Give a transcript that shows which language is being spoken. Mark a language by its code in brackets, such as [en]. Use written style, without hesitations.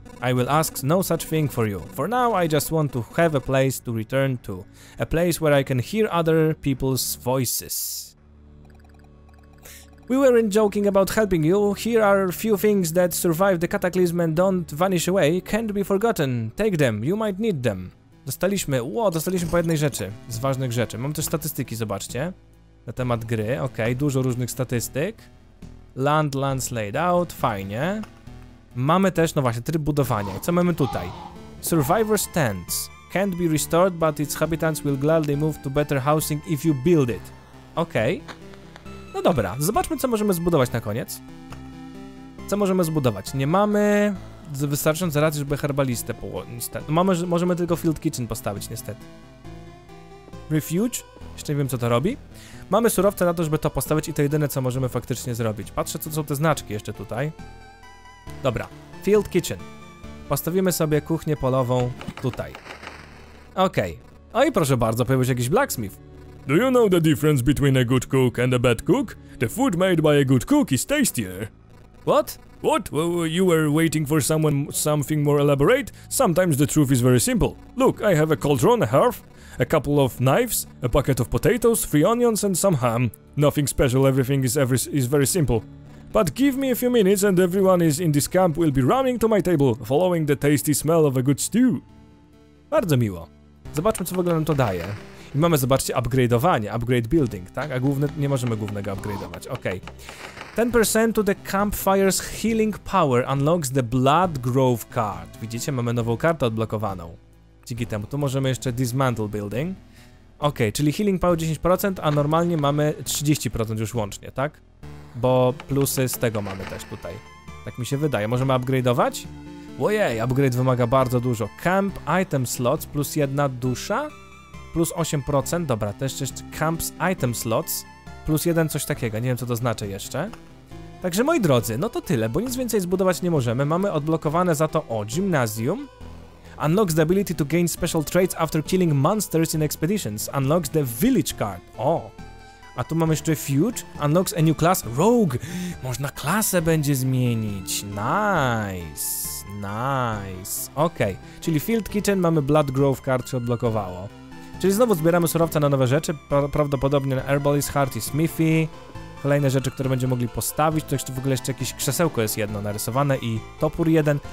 [en] I will ask no such thing for you. For now, I just want to have a place to return to. A place where I can hear other people's voices. We weren't joking about helping you. Here are a few things that survived the cataclysm and don't vanish away. Can't be forgotten. Take them. You might need them. [pl] Dostaliśmy po jednej rzeczy. Z ważnych rzeczy. Mam też statystyki, zobaczcie. Na temat gry. Okej, dużo różnych statystyk. [en] Lands laid out. [pl] Fajnie. Mamy też, no właśnie, tryb budowania. Co mamy tutaj? Survivor's tents. [en] Can't be restored, but its habitants will gladly move to better housing if you build it. Okej. Okay. [pl] No dobra, zobaczmy, co możemy zbudować na koniec. Co możemy zbudować? Nie mamy wystarczająco racji, żeby herbalistę położyć. Możemy tylko field kitchen postawić, niestety. Refuge? Jeszcze nie wiem, co to robi. Mamy surowce na to, żeby to postawić i to jedyne, co możemy faktycznie zrobić. Patrzę, co są te znaczki jeszcze tutaj. Dobra, Field Kitchen. Postawimy sobie kuchnię polową tutaj. Okej. Okay. Oj, proszę bardzo, pojawił się jakiś blacksmith. [en] Do you know the difference between a good cook and a bad cook? The food made by a good cook is tastier. What? What? Well, you were waiting for someone something more elaborate? Sometimes the truth is very simple. Look, I have a cauldron, a hearth, a couple of knives, a bucket of potatoes, three onions and some ham. Nothing special, everything is very simple. But give me a few minutes and everyone is in this camp will be running to my table, following the tasty smell of a good stew. [pl] Bardzo miło. Zobaczmy, co w ogóle nam to daje. I mamy, zobaczcie, upgrade'owanie, upgrade building, tak? A główne, nie możemy głównego upgrade'ować, okej. Okay. [en] 10% to the campfire's healing power unlocks the blood growth card. [pl] Widzicie, mamy nową kartę odblokowaną. Dzięki temu, tu możemy jeszcze dismantle building. Okej, czyli healing power 10%, a normalnie mamy 30% już łącznie, tak? Bo plusy z tego mamy też tutaj. Tak mi się wydaje, możemy upgrade'ować? Ojej, upgrade wymaga bardzo dużo. Camp item slots plus jedna dusza? Plus 8%, dobra, też jeszcze camps item slots, plus jeden coś takiego, nie wiem, co to znaczy jeszcze. Także, moi drodzy, no to tyle, bo nic więcej zbudować nie możemy. Mamy odblokowane za to, o, gimnazjum. [en] Unlocks the ability to gain special traits after killing monsters in expeditions. Unlocks the village card, o. [pl] A tu mamy jeszcze feud, [en] unlocks a new class, rogue. [pl] Można klasę będzie zmienić, nice. Okej, okay. Czyli field kitchen, mamy blood growth card, się odblokowało. Czyli znowu zbieramy surowce na nowe rzeczy, prawdopodobnie na Herbal is Heart i Smithy. Kolejne rzeczy, które będziemy mogli postawić, to jeszcze w ogóle jeszcze jakieś krzesełko jest jedno narysowane i topór jeden.